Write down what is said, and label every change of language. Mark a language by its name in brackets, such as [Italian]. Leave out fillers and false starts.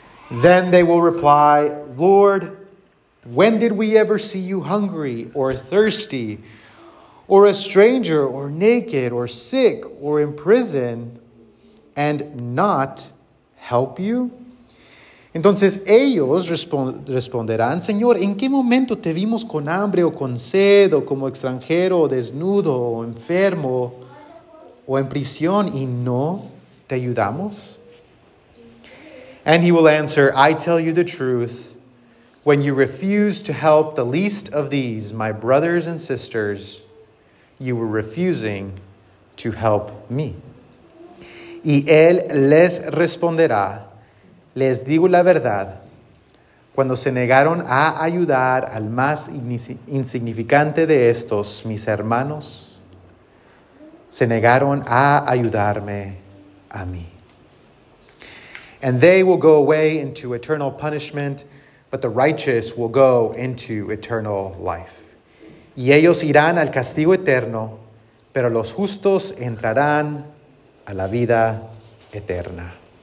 [English] Then they will reply, Lord, when did we ever see you hungry or thirsty or a stranger or naked or sick or in prison and not help you? [Spanish] Entonces ellos responderán, Señor, ¿en qué momento te vimos con hambre o con sed o como extranjero o desnudo o enfermo o en prisión y no te ayudamos? [English] And he will answer, I tell you the truth, when you refused to help the least of these, my brothers and sisters, you were refusing to help me. [Spanish] Y él les responderá, Les digo la verdad, cuando se negaron a ayudar al más insignificante de estos, mis hermanos, se negaron a ayudarme a mí. [English] And they will go away into eternal punishment, but the righteous will go into eternal life. [Spanish] Y ellos irán al castigo eterno, pero los justos entrarán a la vida eterna.